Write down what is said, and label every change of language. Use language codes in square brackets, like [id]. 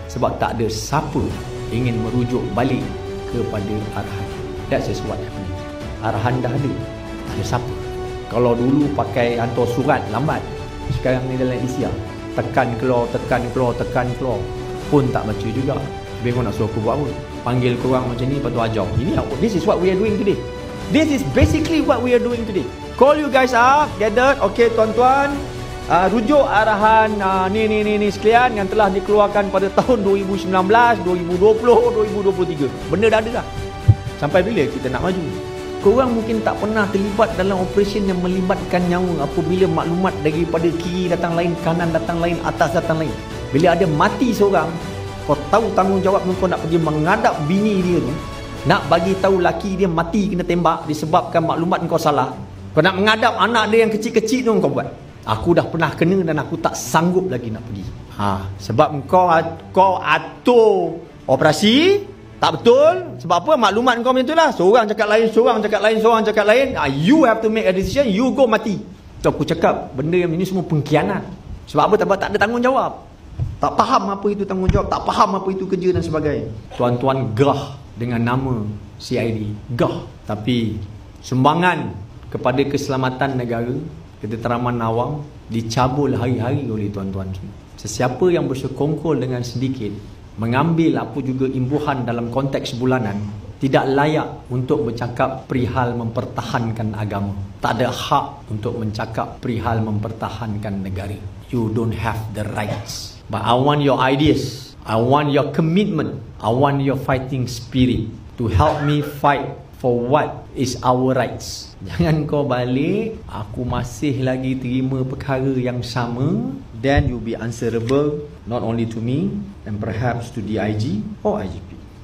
[ms] Sebab tak ada siapa ingin merujuk balik kepada arahan. [en] That's just what happened. [ms] Arahan dah ada, tak ada siapa. Kalau dulu pakai hantar surat lambat, sekarang ni dalam isi lah. tekan keluar, tekan keluar, tekan keluar pun tak baca juga. Tapi kau nak suruh aku buat apa? Panggil korang macam ni, lepas tu ajar. [en] Ini, this is what we are doing today. This is basically what we are doing today. Call you guys up, gather. [ms] Okay, tuan-tuan, rujuk arahan ni sekalian yang telah dikeluarkan pada tahun 2019, 2020, 2023. Benda dah ada dah. Sampai bila kita nak maju? Korang mungkin tak pernah terlibat dalam operation yang melibatkan nyawa apabila maklumat daripada kiri datang lain, kanan datang lain, atas datang lain. Bila ada mati seorang, kau tahu tanggungjawab kau nak pergi mengadap bini dia tu, nak bagi tahu laki dia mati kena tembak disebabkan maklumat kau salah. Kau nak mengadap anak dia yang kecil-kecil tu kau buat. Aku dah pernah kena dan aku tak sanggup lagi nak pergi. Ha, sebab kau atur operasi tak betul. Sebab apa? Maklumat kau macam itulah. Seorang cakap lain, seorang cakap lain, seorang cakap lain. [en] You have to make a decision, you go [ms] mati. So, aku cakap benda yang ini semua pengkhianat. Sebab apa? Sebab tak ada tanggungjawab. Tak faham apa itu tanggungjawab, tak faham apa itu kerja dan sebagainya. Tuan-tuan gah dengan nama CID, gah. Tapi sumbangan kepada keselamatan negara, keteteraman awam dicabul hari-hari oleh tuan-tuan semua. Sesiapa yang bersekongkol dengan sedikit, mengambil apa juga imbuhan dalam konteks bulanan, tidak layak untuk bercakap perihal mempertahankan agama. Tak ada hak untuk mencakap perihal mempertahankan negara. [en] You don't have the rights. But I want your ideas. I want your commitment. I want your fighting spirit to help me fight for what is our rights. [ms] Jangan kau balik, aku masih lagi terima perkara yang sama. [en] Then you'll be answerable not only to me and perhaps to DIG or IGP.